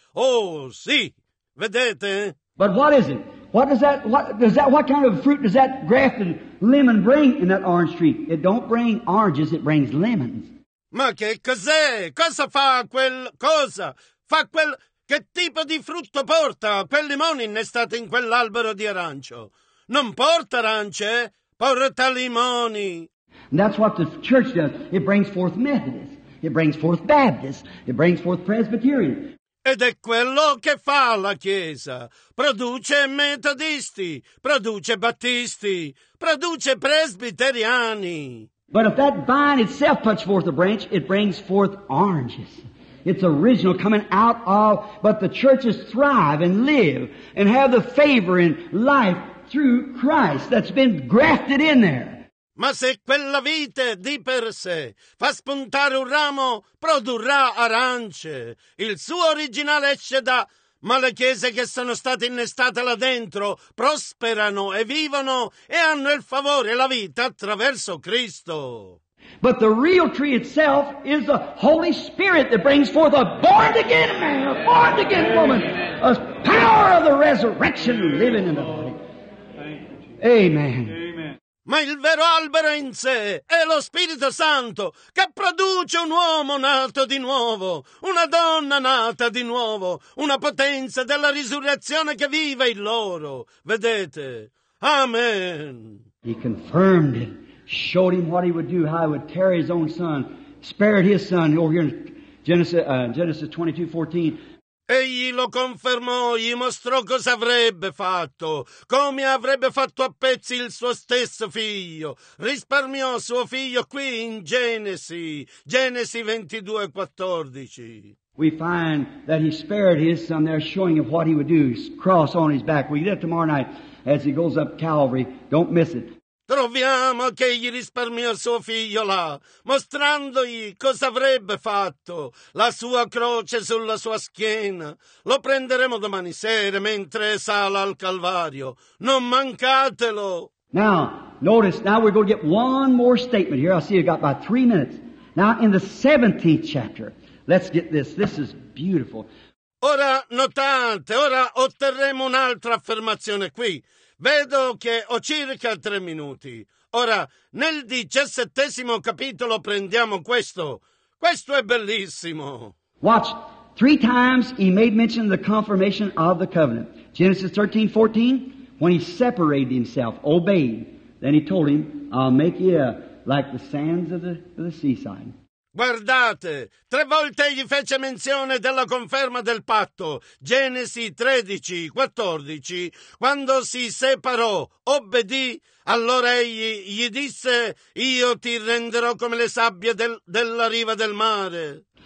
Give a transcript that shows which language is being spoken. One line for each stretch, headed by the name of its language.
Italian: Oh, sì, vedete?
English: But what is it? What kind of fruit does that grafted lemon bring in that orange tree? It don't bring oranges, it brings lemons.
Italian: Ma che cos'è? Cosa fa quel... Che tipo di frutto porta quel limone innestato in quell'albero di arancio? Non porta arance, porta limoni.
English: And that's what the church does. It brings forth Methodists. It brings forth Baptists. It brings forth Presbyterians.
Italian: Ed è quello che fa la Chiesa. Produce metodisti, produce battisti, produce presbiteriani.
English: But if that vine itself puts forth a branch, it brings forth oranges. It's original, coming out of, but the churches thrive and live and have the favor in life through Christ that's been grafted in there.
Italian: Ma se quella vite di per sé fa spuntare un ramo, produrrà arance. Il suo originale esce da, ma le chiese che sono state innestate là dentro prosperano e vivono e hanno il favore e la vita attraverso Cristo.
English: But the real tree itself is the Holy Spirit that brings forth a born-again man, a born-again woman, a power of the resurrection living in the body. Amen.
Italian: Ma il vero albero in sé è lo Spirito Santo che produce un uomo nato di nuovo, una donna nata di nuovo, una potenza della risurrezione che vive in loro. Vedete? Amen.
English: He confirmed it. Showed him what he would do, how he would tear his own son, spared his son, over here in Genesis 22:14.
Italian: Egli lo confermò, gli mostrò cosa avrebbe fatto, come avrebbe fatto a pezzi il suo stesso figlio. Risparmiò suo figlio qui in Genesi 22:14.
English: We find that he spared his son there, showing him what he would do, cross on his back. We get it tomorrow night as he goes up Calvary. Don't miss it.
Italian: Troviamo che gli risparmiò suo figlio là, mostrandogli cosa avrebbe fatto, la sua croce sulla sua schiena. Lo prenderemo domani sera mentre sale al Calvario. Non mancatelo!
English: Now, notice, now we're going to get one more statement here. I see you got about 3 minutes. Now, in the 17th chapter, let's get this. This is beautiful.
Italian: Ora notate, ora otterremo un'altra affermazione qui. Vedo che ho circa 3 minuti. Ora, nel 17° capitolo prendiamo questo. Questo è bellissimo.
English: Watch. 3 times he made mention of the confirmation of the covenant. Genesis 13:14, when he separated himself, obeyed. Then he told him, I'll make you like the sands of the seaside.
Italian: Guardate, 3 volte gli fece menzione della conferma del patto. Genesi 13:14, quando si separò, obbedì, allora egli gli disse, io ti renderò come le sabbie della riva del mare.